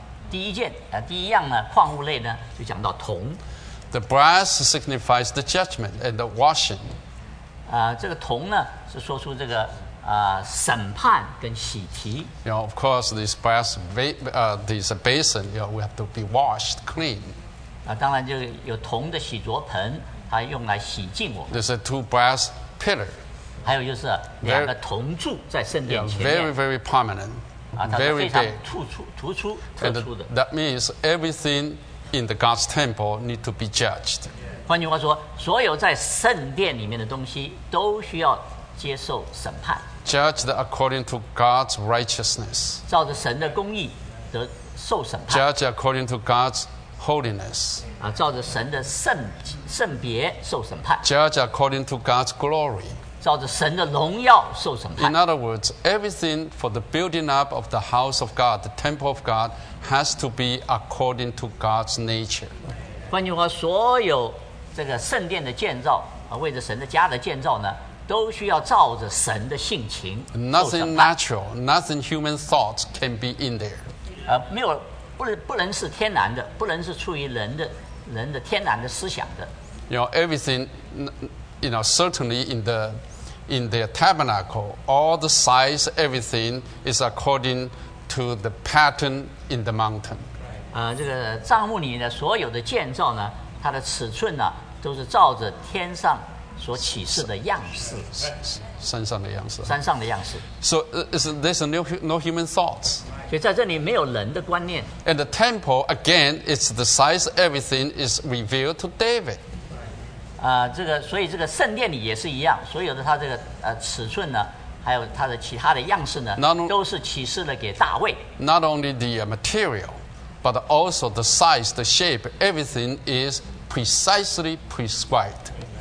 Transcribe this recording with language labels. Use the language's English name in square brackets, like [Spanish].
[Chinese] 第一样呢，矿物类呢，就讲到铜。 [English] The brass signifies the judgment and the washing. [Chinese] 这个铜呢是说出这个审判跟洗涤。 [English] You know, of course, this brass, this basin, you know, we have to be washed clean. [Chinese] 当然就有铜的洗濯盆，它用来洗净我们。 [English] There's a two brass pillar. [Chinese] 还有就是两个铜柱在圣殿前面。 [English] Very, very prominent. Very big. [Chinese] 它是非常突出的。 [English] And that means everything in the God's temple need to be judged. [Chinese] 换句话说，所有在圣殿里面的东西都需要接受审判。 [English] Judged according to God's righteousness. [Chinese] 照着神的公义得受审判。 [English] Judged according to God's holiness. [Chinese] 照着神的圣别受审判。 [English] Judged according to God's glory. [Chinese] 照着神的荣耀受审判。 [English] In other words, everything for the building up of the house of God, the temple of God, has to be according to God's nature. [Chinese] 换句话说，所有这个圣殿的建造为着神的家的建造呢，都需要照着神的性情。 [English] Nothing natural, nothing human thoughts can be in there. [Chinese] 没有，不能是天然的，不能是出于人的天然的思想的。 [English] You know, everything, you know, certainly in the tabernacle, all the size, everything is according to the pattern in the mountain. [Chinese] 这个帐幕里的所有的建造呢，它的尺寸呢，都是照着天上所启示的样式。山上的样式。山上的样式。 [English] So there's no human thoughts. [Chinese] 所以在这里没有人的观念。 [English] And the temple again, it's the size everything is revealed to David. [Chinese] 这个所以这个圣殿里也是一样，所有的它这个尺寸呢。还有它的其他的样式呢 都是启示了给大卫 [English] Not only the material But also the size, the shape Everything is precisely prescribed